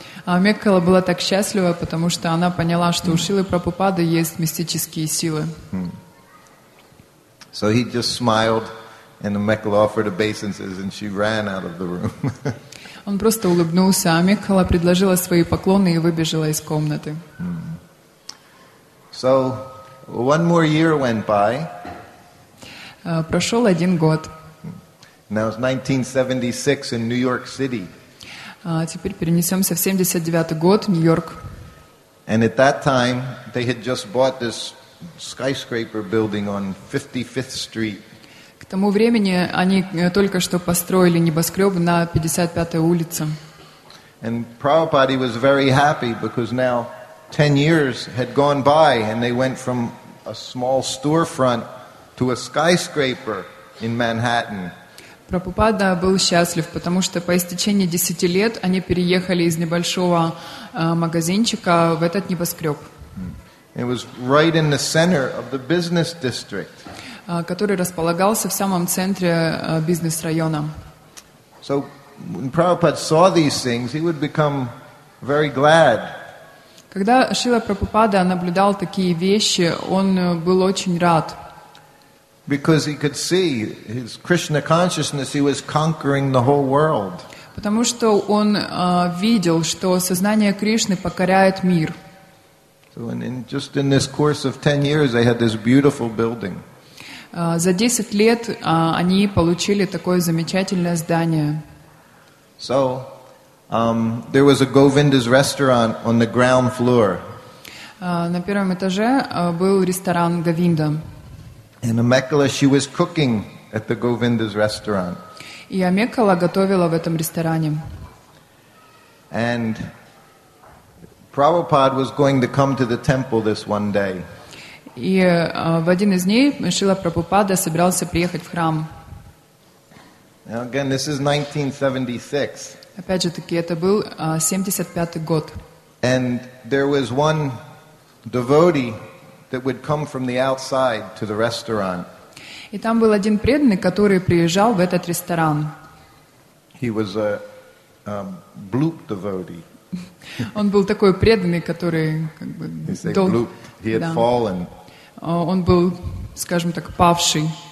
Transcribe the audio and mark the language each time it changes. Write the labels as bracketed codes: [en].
[ru] А Меккала была так счастлива, потому что она поняла, что у Шрилы Прабхупады есть мистические силы. [en] So he just smiled and Меккала offered obeisances and she ran out of the room. [ru] Он просто улыбнулся, а Меккала предложила свои поклоны и выбежала из комнаты. [en] So one more year went by. [ru] Прошел один год. [en] Now it's 1976 in New York City. [ru] Теперь перенесемся в 79 год, Нью-Йорк. [en] And at that time they had just bought this skyscraper building on 55th Street. [ru] К тому времени они только что построили небоскреб на 55-й улице. [en] And Prabhupada was very happy because now 10 years had gone by and they went from a small storefront to a skyscraper in Manhattan. [ru] Прабхупада был счастлив, потому что по истечении 10 лет они переехали из небольшого магазинчика в этот небоскреб. [en] It was right in the center of the business district. [ru] Который располагался в самом центре бизнес-района. [en] So when Prabhupada saw these things, he would become very glad. [ru] Когда Шрила Прабхупада наблюдал такие вещи, он был очень рад. [en] Because he could see his Krishna consciousness, he was conquering the whole world. [ru] Потому что он видел, что сознание Кришны покоряет мир. [en] So in just in this course of 10 years, they had this beautiful building. [ru] За 10 лет они получили такое замечательное здание. [en] So there was a Govinda's restaurant on the ground floor. [ru] На первом этаже был ресторан Govinda. [en] And Amekala, she was cooking at the Govinda's restaurant. [ru] И Амекала готовила в этом ресторане. [en] And Prabhupada was going to come to the temple this one day. [ru] И в один из дней Шрила Прабхупада собирался приехать в храм. [en] Now again, this is 1976. [ru] Опять же таки, это был 75-й год. [en] And there was one devotee that would come from the outside to the restaurant. [ru] И там был один преданный, который приезжал в этот ресторан. [en] He was a bloop devotee. [ru] Он был такой преданный, который как бы [en] he had fallen. [ru] Он был, скажем так, павший.